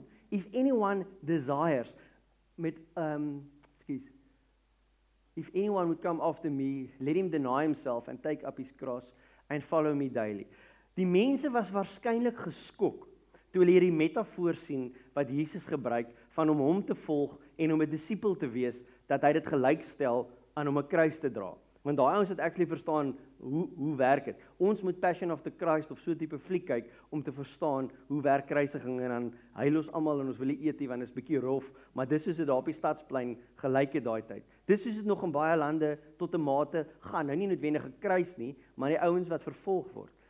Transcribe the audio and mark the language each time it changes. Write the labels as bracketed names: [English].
[English] If anyone desires, if anyone would come after me, let him deny himself and take up his cross and follow me daily. [Afrikaans] Die mense was waarskynlik geskok toe hulle hierdie metafoor sien wat Jesus gebruik van om hom te volg en om 'n disipel te wees, dat hy dit gelykstel aan om 'n kruis te dra. Want daai ons het actually verstaan hoe werk dit. Ons moet Passion of the Christ of so 'n tipe fliek kyk om te verstaan hoe werk kruisiging en dan huil ons almal en ons wil eetie want dit is bietjie rof, maar dis soos dit daar op die stadsplein gelyk het daai tyd. Dis soos dit nog in baie lande tot 'n mate gaan. Nou nie noodwendig 'n kruis nie, maar die ouens wat vervolg word.